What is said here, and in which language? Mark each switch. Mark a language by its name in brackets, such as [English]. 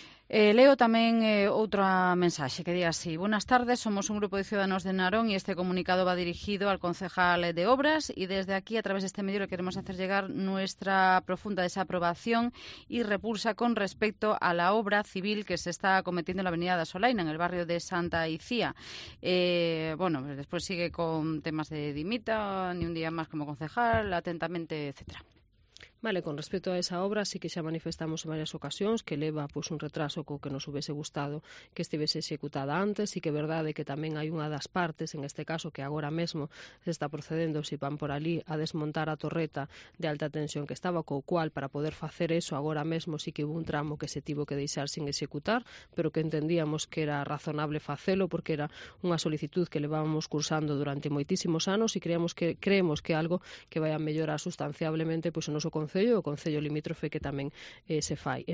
[Galician] Leo tamén outra mensaxe que di así. [Spanish] Buenas tardes, somos un grupo de ciudadanos de Narón e este comunicado va dirigido al concejal de Obras e desde aquí, a través deste medio, le queremos hacer llegar nuestra profunda desaprobación e repulsa con respecto a la obra civil que se está cometiendo en la avenida da Solaina, en el barrio de Santa Icía. Bueno, pues después sigue con temas de dimita, ni un día más como concejal, atentamente, etcétera. [Galician] Vale, con respecto a esa obra, sí que xa manifestamos en varias ocasións que leva pues, un retraso co que nos hubese gustado que estivese executada antes e que é verdade que tamén hai unha das partes, en este caso, que agora mesmo se está procedendo, se van por ali, a desmontar a torreta de alta tensión que estaba, co cual, para poder facer eso agora mesmo, sí que hubo un tramo que se tivo que deixar sin executar, pero que entendíamos que era razonable facelo porque era unha solicitud que levábamos cursando durante moitísimos anos e creemos que algo que vai a mellorar sustanciablemente pues, o noso concello, o concello limítrofe que tamén se fai.